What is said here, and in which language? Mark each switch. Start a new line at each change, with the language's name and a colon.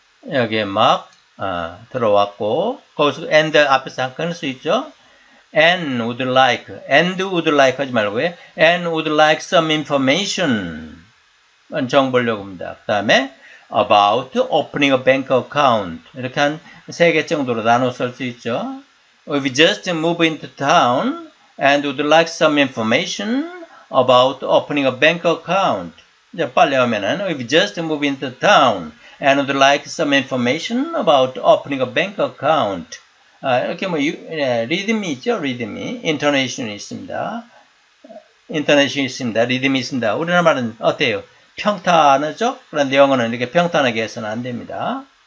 English: 여기에 들어왔고, 거기서 and 앞에서 끊을 수 있죠? And would like
Korean: 하지 말고요.
English: And would like some information.
Korean: 정보를 요구합니다. 그 다음에
English: about opening a bank account.
Korean: 이렇게 한세개 정도로 나눠서 할수 있죠.
English: We've just moved into town and would like some information about opening a bank account.
Korean: 이제 빨리 하면은
English: We've just moved into town and would like some information about opening a bank account.
Korean: 이렇게 뭐 리듬이 있죠, 리듬이. 인터네이션이 있습니다. 인터네이션이 있습니다. 리듬이 있습니다. 우리나라 말은 어때요? 평탄하죠? 그런데 영어는 이렇게 평탄하게 해서는 안 됩니다.